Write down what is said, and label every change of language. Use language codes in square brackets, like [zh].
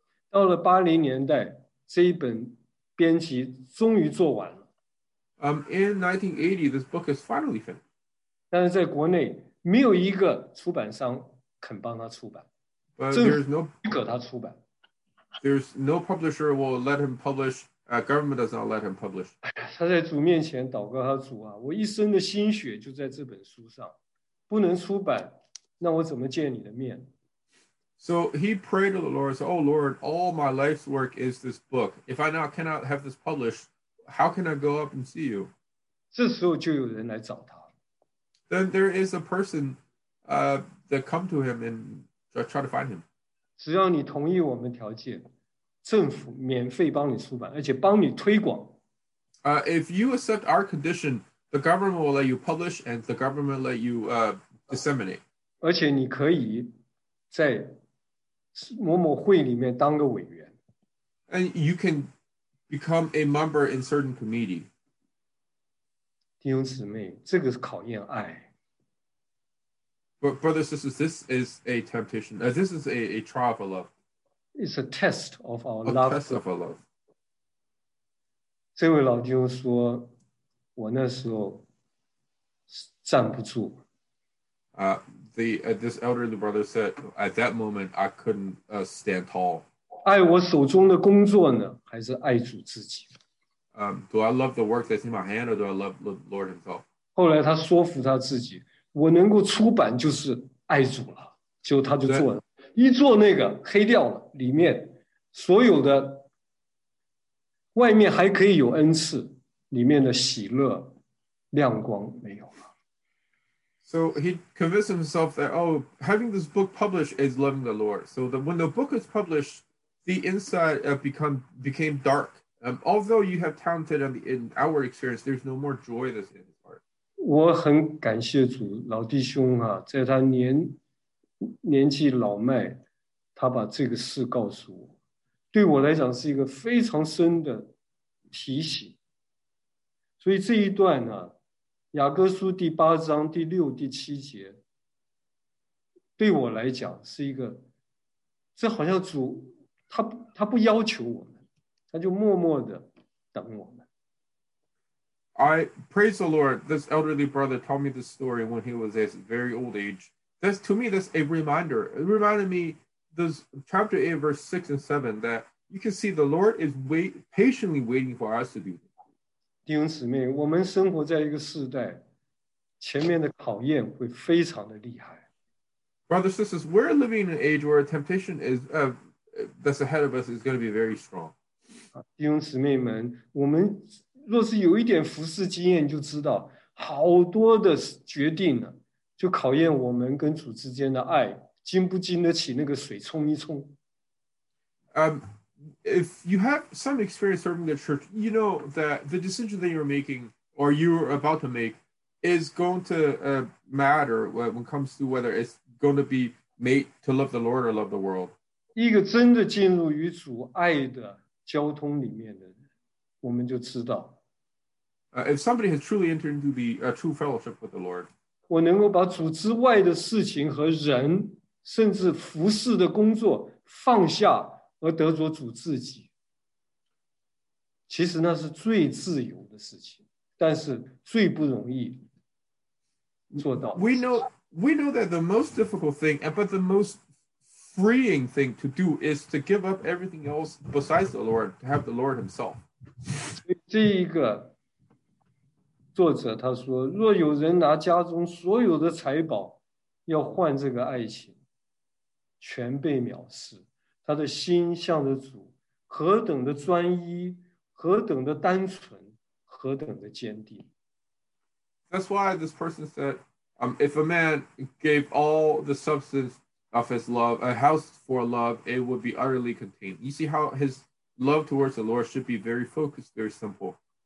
[zh] 到了80年代，这一本编辑终于做完了。 [en] In 1980, this book is finally finished. [zh] 但是在国内没有一个出版商肯帮他出版。 [en] But there's no [zh] 许可他出版。 [en] There's no publisher will let him publish. Government does not let him publish. [zh] 他在主面前祷告他主啊，我一生的心血就在这本书上，不能出版，那我怎么见你的面？ [en] So he prayed to the Lord, said, "Oh Lord, all my life's work is this book. If I now cannot have this published, how can I go up and see you?" [zh] 这时候就有人来找他。 [en] Then there is a person, that come to him and try to find him. [zh] 只要你同意我们条件，政府免费帮你出版，而且帮你推广。 [en] If you accept our condition, the government will let you publish and the government will let you disseminate. [zh] 而且你可以在某某会里面当个委员。 [en] And you can become a member in certain committee. [zh] 弟兄姊妹，这个是考验爱。 [en] But brothers and sisters, this is a temptation. This is a trial of love. It's a test of our love. A test of our love. [zh] 这位老弟兄说，我那时候站不住。 [en] This elderly brother said, at that moment, I couldn't stand tall. [zh] 爱我手中的工作呢，还是爱主自己？ [en] Do I love the work that's in my hand, or do I love the Lord himself? [zh] 后来他说服他自己，我能够出版就是爱主了，结果他就做了。一做那个黑掉了，里面所有的，外面还可以有恩赐，里面的喜乐亮光没有了。 [en] So he convinced himself that, oh, having this book published is loving the Lord. So that when the book is published, the inside became dark. Although you have talented on the outward experience, there's no more joy that's in his heart. [zh] 我很感谢主，老弟兄啊，在他年纪老迈，他把这个事告诉我，对我来讲是一个非常深的提醒。所以这一段呢，雅各书第八章第六、第七节，对我来讲是一个，这好像主他不要求我们，他就默默的等我们。 [en] I praise the Lord. This elderly brother told me this story when he was at very old age. This, to me, that's a reminder. It reminded me, this chapter 8, verse 6 and 7, that you can see the Lord is patiently waiting for us to do it. [zh] 弟兄姊妹，我们生活在一个世代，前面的考验会非常的厉害。 [en] Brothers and sisters, we're living in an age where a temptation that's ahead of us is going to be very strong. [zh] 弟兄姊妹们，我们若是有一点服事经验就知道，好多的决定呢，就考验我们跟主之间的爱，经不经得起那个水冲一冲。 [en] If you have some experience serving the church, you know that the decision that you're making or you're about to make is going to matter when it comes to whether it's going to be made to love the Lord or love the world. [zh] 一个真的进入与主爱的交通里面的人，我们就知道。 [en] If somebody has truly entered into the true fellowship with the Lord, [zh] 我能够把主之外的事情和人，甚至服事的工作放下，而得着主自己。其实那是最自由的事情，但是最不容易做到的事情。 [en] We know that the most difficult thing, but the most freeing thing to do is to give up everything else besides the Lord, to have the Lord Himself. [zh] 这一个。作者他说，若有人拿家中所有的财宝要换这个爱情，全被藐视。他的心向着主，何等的专一，何等的单纯，何等的坚定。 [en] That's why this person said, if a man gave all the substance of his love, a house for love, it would be utterly contained. You see how his love towards the Lord should be very focused, very simple.